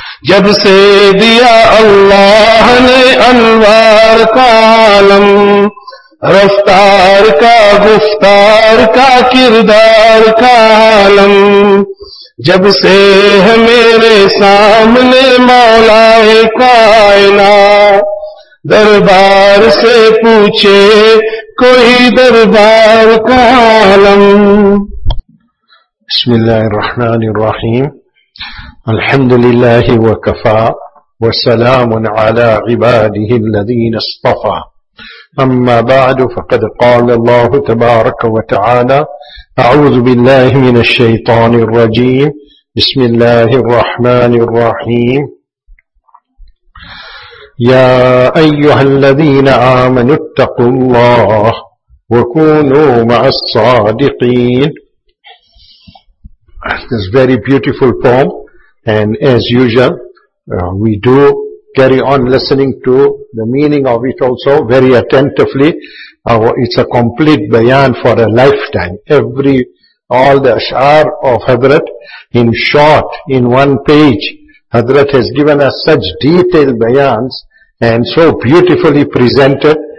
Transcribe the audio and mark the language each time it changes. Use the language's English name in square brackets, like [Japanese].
[Urdu] جب سے دیا اللہ نے انوار کا عالم, رفتار کا گفتار کا کردار کا عالم, جب سے ہے میرے سامنے مولا کائنات, دربار سے پوچھے کوئی دربار کا عالم. [Arabic] بسم اللہ الرحمن الرحیم. الحمد لله وكفى وسلام على عباده الذين اصطفى, أما بعد فقد قال الله تبارك وتعالى, أعوذ بالله من الشيطان الرجيم, بسم الله الرحمن الرحيم يا أيها الذين آمنوا اتقوا الله وكونوا مع الصادقين. [English] This very beautiful poem, and as usual we do carry on listening to the meaning of it also very attentively. It's a complete bayan for a lifetime. All the ash'ar of Hazrat, in short, in one page, Hazrat has given us such detailed bayans and so beautifully presented.